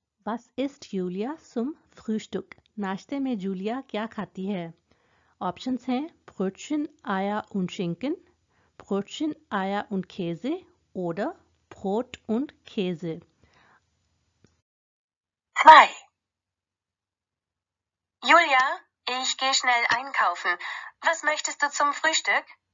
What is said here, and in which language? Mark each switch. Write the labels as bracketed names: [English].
[German] Was isst Julia zum Frühstück? [Hindi] नाश्ते में Julia क्या खाती है? ऑप्शंस हैं [German] Brötchen, Eier und Schinken, Brötchen, Eier und Käse oder Brot und Käse. 2. Julia, ich gehe schnell einkaufen. Was möchtest du zum Frühstück?